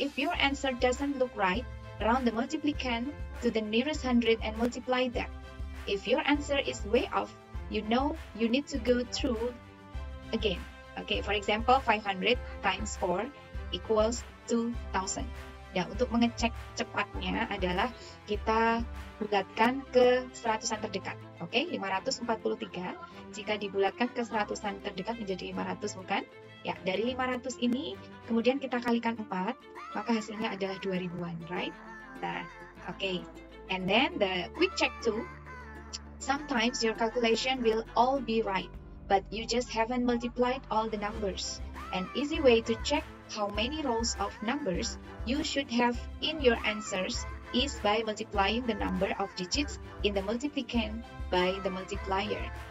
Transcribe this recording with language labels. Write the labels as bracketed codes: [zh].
[en] If your answer doesn't look right, round the multiplicand to the nearest 100 and multiply that. If your answer is way off, you know you need to go through again. Okay, for example, 500 times 4 equals 2000. [id] Ya, untuk mengecek cepatnya adalah kita bulatkan ke seratusan terdekat. Oke, okay? 543 jika dibulatkan ke seratusan terdekat menjadi 500, bukan? Ya, dari 500 ini kemudian kita kalikan 4, maka hasilnya adalah 2000-an, right? [en] Nah, oke. Okay. And then the quick check too. Sometimes your calculation will all be right, but you just haven't multiplied all the numbers. An easy way to check how many rows of numbers you should have in your answers is by multiplying the number of digits in the multiplicand by the multiplier.